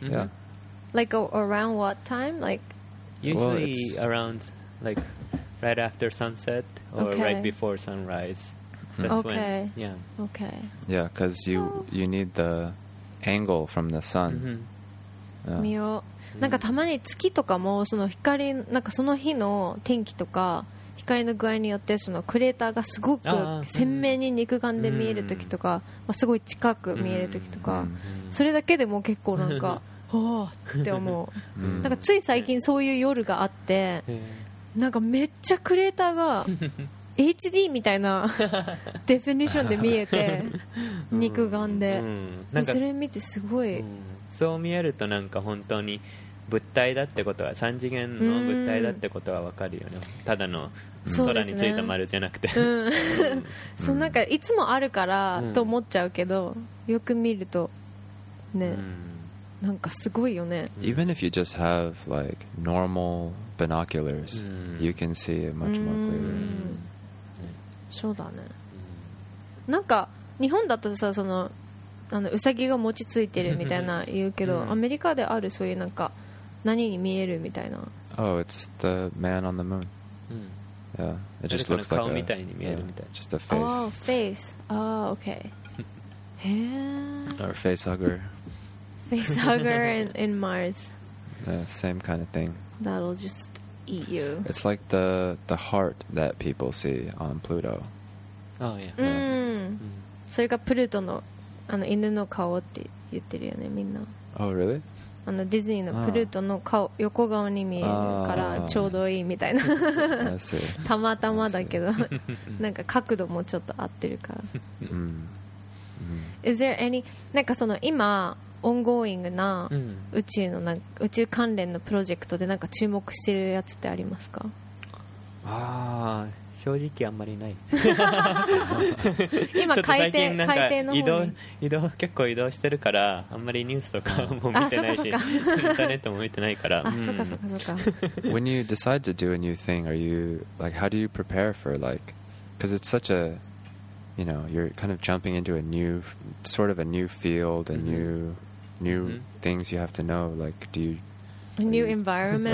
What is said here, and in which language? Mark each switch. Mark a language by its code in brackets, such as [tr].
[en] See. Mm-hmm. Yeah. Like around what time? Like usually well, around like right after sunset or okay. right before sunrise. That's okay. when. Yeah. Okay. Yeah, cuz you need the angle from the sun. Mm-hmm. Yeah. [ja] Mio なんかたまに月とかもその光なんかその日の天気とか光の具合によってそのクレーターがすごく鮮明に肉眼で見える時とかまあすごい近く見える時とかそれだけでも結構なんかおおって思うなんかつい最近そういう夜があってなんかめっちゃクレーターが HD みたいなデフィニションで見えて肉眼でそれ見てすごいそう見えるとなんか本当に物体だってことは三次元の物体だってことは分かるよね、うん、ただの空についた丸じゃなくてそうなんかいつもあるからと思っちゃうけど、うん、よく見るとね、うん、なんかすごいよね [en] Even if you just have like normal binoculars、うん、you can see it much more clearly、うん、 [ja] そうだねなんか日本だとさそのあのウサギが餅ついてるみたいな言うけど、うん、アメリカであるそういうなんか何に見えるみたいな [en] Oh, it's the man on the moon、うん、Yeah, it just looks like a [ja] 顔みたいに見えるみたいな [en] Just a face Oh, face Oh, okay へぇ Or face hugger Face hugger in Mars Yeah, same kind of thing That'll just eat you It's like the heart that people see on Pluto Oh, yeah, yeah. [ja] うん、うん、それがプルートのあの犬の顔って言ってるよねみんな。 [en] Oh, really? [ja] あのディズニーのプルートの顔、oh. 横顔に見えるからちょうどいいみたいな。たまたまだけどなんか角度もちょっと合ってるから。 [en] Mm-hmm. Is there any [ja] なんかその今オンゴーイングな宇宙のなんか宇宙関連のプロジェクトでなんか注目してるやつってありますか？ああ。正直あんまりない今海底の方に移動結構移動してるからあんまりニュースとかも見てないしインターネットも見てないからそうか [en] When you decide to do a new thing are you like how do you prepare for like because it's such a you know you're kind of jumping into a new sort of a new field a new mm-hmm. things you have to know like do you A new environment.